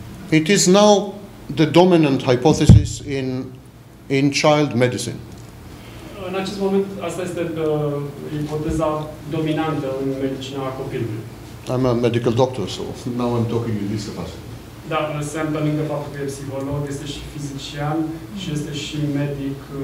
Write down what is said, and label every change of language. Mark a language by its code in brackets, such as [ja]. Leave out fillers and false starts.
[en] It is now the dominant hypothesis in child medicine. [ro] În acest moment, asta este ipoteza dominantă în medicina copilului. [en] I'm a medical doctor, so now I'm talking in this capacity. [ro] Da, Sam, pe lângă faptul că e psiholog, este și fizician și este și medic.